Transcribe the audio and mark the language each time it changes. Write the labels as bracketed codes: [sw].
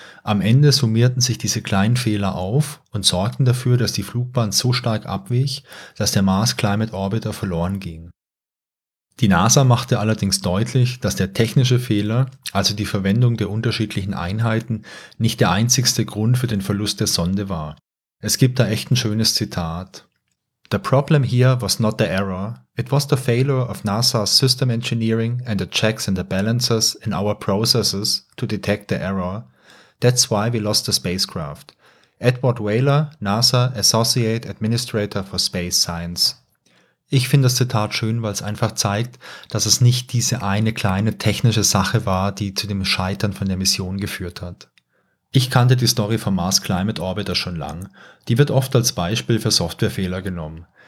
[de] Am Ende summierten sich diese kleinen Fehler auf und sorgten dafür, dass die Flugbahn so stark abwich, dass der Mars Climate Orbiter verloren ging. Die NASA machte allerdings deutlich, dass der technische Fehler, also die Verwendung der unterschiedlichen Einheiten, nicht der einzigste Grund für den Verlust der Sonde war. Es gibt da echt ein schönes Zitat. [en] "The problem here was not the error, it was the failure of NASA's system engineering and the checks and the balances in our processes to detect the error. That's why we lost the spacecraft." Edward Wehler, NASA Associate Administrator for Space Science. [de] Ich finde das Zitat schön, weil es einfach zeigt, dass es nicht diese eine kleine technische Sache war, die zu dem Scheitern von der Mission geführt hat. Ich kannte die Story vom Mars Climate Orbiter schon lang. Die wird oft als Beispiel für Softwarefehler genommen.